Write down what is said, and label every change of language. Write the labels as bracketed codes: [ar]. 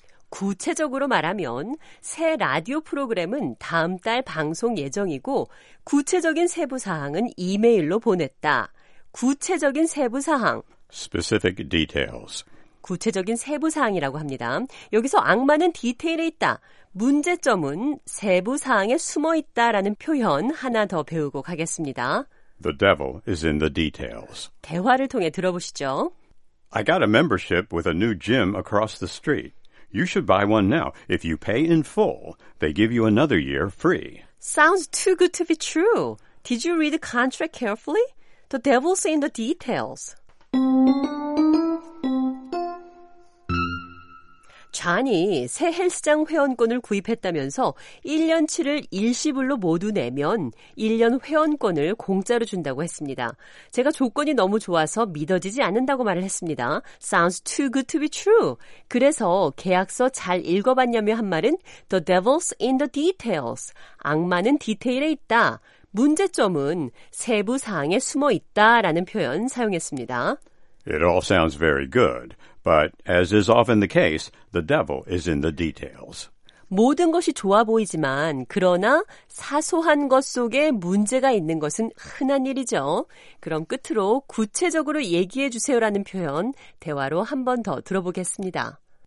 [ko] 구체적으로 말하면 새 라디오 프로그램은 다음 달 방송 예정이고 구체적인 세부사항은 이메일로 보냈다. 구체적인 세부사항 [en] Specific details [ko] 구체적인 세부사항이라고 합니다. 여기서 악마는 디테일에 있다. 문제점은 세부사항에 숨어있다라는 표현 하나 더 배우고 가겠습니다. [en] The devil is in the details [ko] 대화를 통해 들어보시죠. [en] I got a membership with a new gym across the street. You should buy one now. If you pay in full, they give you another year free. Sounds too good to be true. Did you read the contract carefully? The devil's in the details. [ko] 존이 새 헬스장 회원권을 구입했다면서 1년치를 일시불로 모두 내면 1년 회원권을 공짜로 준다고 했습니다. 제가 조건이 너무 좋아서 믿어지지 않는다고 말을 했습니다. [en] Sounds too good to be true. [ko] 그래서 계약서 잘 읽어봤냐며 한 말은 [en] The devil's in the details. [ko] 악마는 디테일에 있다. 문제점은 세부사항에 숨어 있다라는 표현 사용했습니다. [en] It all sounds very good. But as is often the case, the devil is in the details. [ko] 모든 것이 좋아 보이지만 그러나 사소한 것 속에 문제가 있는 것은 흔한 일이죠. 그럼 끝으로 구체적으로 얘기해 주세요라는 표현 대화로 한 번 더 들어보겠습니다.